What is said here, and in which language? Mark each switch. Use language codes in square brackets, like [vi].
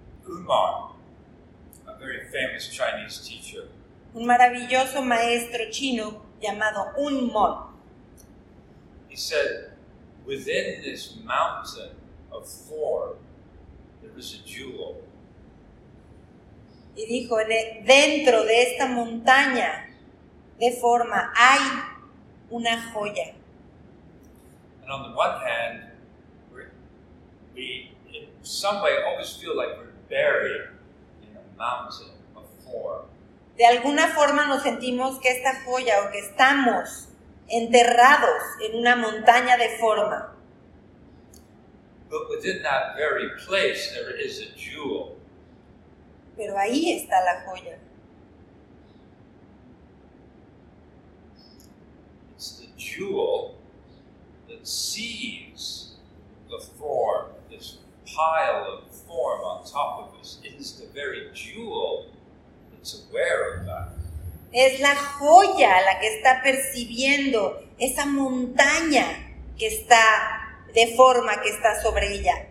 [en] Umar, a very famous Chinese teacher. [es] Un maravilloso maestro chino llamado Unmon. [en] He said, within this mountain of form, there is a jewel. [es] Y dijo, dentro de esta montaña de forma hay una joya. [en] And on the one hand, we in some way always feel like we're buried in a mountain of form. [es] De alguna forma nos sentimos que esta joya o que estamos enterrados en una montaña de forma. [en] But within that very place, there is a jewel. [es] Pero ahí está la joya. [en] It's the jewel that sees the form, this pile of form on top of us. It is the very jewel that's aware of that. [es] Es la joya la que está percibiendo esa montaña que está de forma que está sobre ella.